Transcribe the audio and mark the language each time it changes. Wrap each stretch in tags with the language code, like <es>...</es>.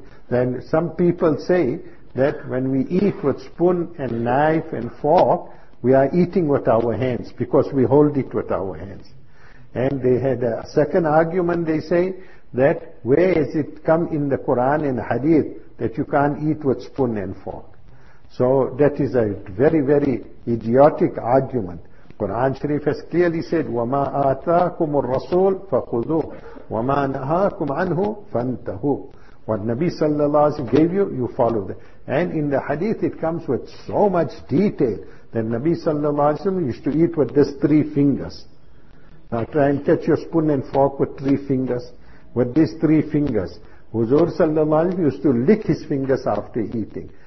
<en>Then some people say that when we eat with spoon and knife and fork, we are eating with our hands because we hold it with our hands. And they had a second argument. They say that where has it come in the Quran and Hadith that you can't eat with spoon and fork? So that is a very, very idiotic argument. Quran Sharif has clearly said,</en> <ar>وَمَا آتَاكُمُ الرَّسُولُ فَخُذُوهُ وَمَا نَهَاكُمْ عَنْهُ فَانْتَهُوا.</ar> <en>What Nabi sallallahu alayhi wa sallam gave you, you follow that. And in the Hadith it comes with so much detail that Nabi sallallahu alayhi wa sallam used to eat with just three fingers. Now try and catch your spoon and fork with three fingers. With these three fingers. Huzur sallallahu alayhi wa sallam used to lick his fingers after eating.</en>